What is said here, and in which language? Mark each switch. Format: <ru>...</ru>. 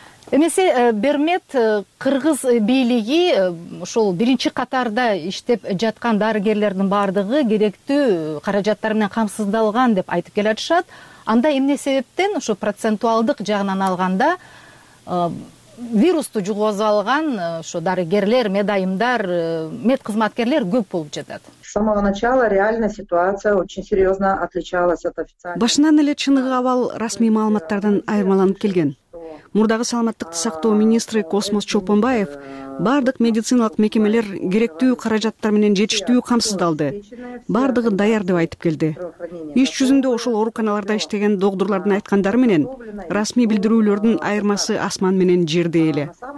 <ky>Эмесе Бермет, кыргыз бийлиги ошол биринчи катарда иштеп жаткан дарыгерлердин баардыгы керектүү каражаттар менен камсыздалган деп айтып келе жатышат. Анда эмне себептен ошо процентуалдык жагынан алганда вирусту жугузуп алган ошо дарыгерлер, медайымдар, мед кызматкерлер көп болуп жатат?</ky> <ru>С самого начала реальная ситуация очень серьезно отличалась от официальной.</ru> <ky>Башынан эле чыныгы абал расмий маалыматтардан айырмаланып келген. Мурдагы саламаттыкты сактоо министри Космос Чолпонбаев баардык медициналык мекемелер керектүү каражаттар менен жетиштүү камсыздалды, баардыгы даяр деп айтып келди. Иш жүзүндө ошол ооруканаларда иштеген доктурлардын айткандары менен расмий билдирүүлөрдүн айырмасы асман менен жердей эле.</ky>